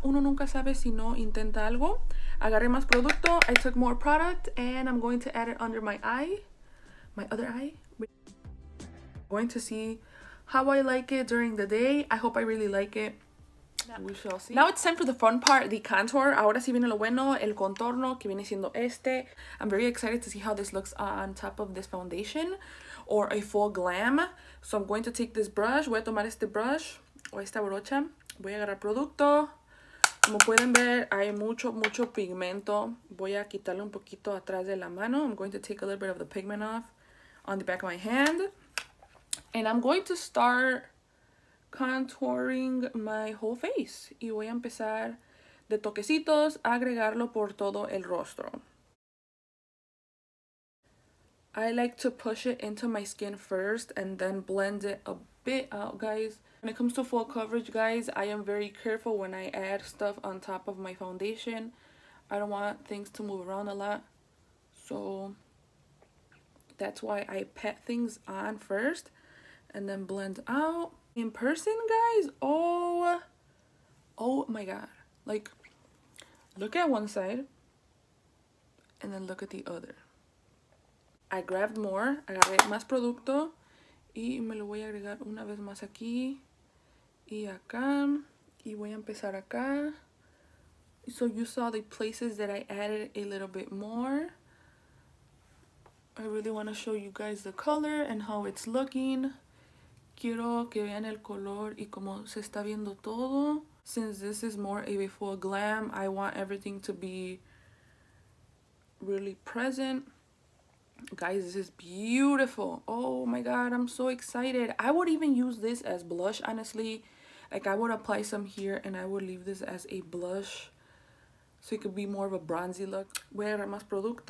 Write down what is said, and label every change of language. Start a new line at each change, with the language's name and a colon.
Spanish: Uno nunca sabe si no intenta algo. Agarré más producto.
English: I took more product. And I'm going to add it under my eye. My other eye. I'm going to see how I like it during the day. I hope I really like it. Yeah. We shall see. Now it's time for the fun part, the contour.
Spanish: Ahora sí viene lo bueno, el contorno, que viene siendo este.
English: I'm very excited to see how this looks on top of this foundation or a full glam. So I'm going to take this brush,
Spanish: voy a tomar este brush o esta brocha. Voy a agarrar producto. Como pueden ver, hay mucho, mucho pigmento. Voy a quitarle un poquito atrás de la mano.
English: I'm going to take a little bit of the pigment off on the back of my hand. And I'm going to start contouring my whole face.
Spanish: Y voy a empezar de toquecitos a agregarlo por todo el rostro.
English: I like to push it into my skin first and then blend it a bit out, guys. When it comes to full coverage, guys, I am very careful when I add stuff on top of my foundation. I don't want things to move around a lot. So that's why I pat things on first and then blend out. In person, guys, oh my god. Like, look at one side and then look at the other. I grabbed more,
Spanish: agarré más producto y me lo voy a agregar una vez más aquí y acá y voy a empezar acá.
English: So you saw the places that I added a little bit more. I really want to show you guys the color and how it's looking.
Spanish: Quiero que vean el color y cómo se está viendo todo.
English: Since this is more of a full glam, I want everything to be really present. Guys, this is beautiful. Oh my god, I'm so excited. I would even use this as blush, honestly. Like, I would apply some here and I would leave this as a blush so it could be more of a bronzy look.
Spanish: Voy a agarrar más producto.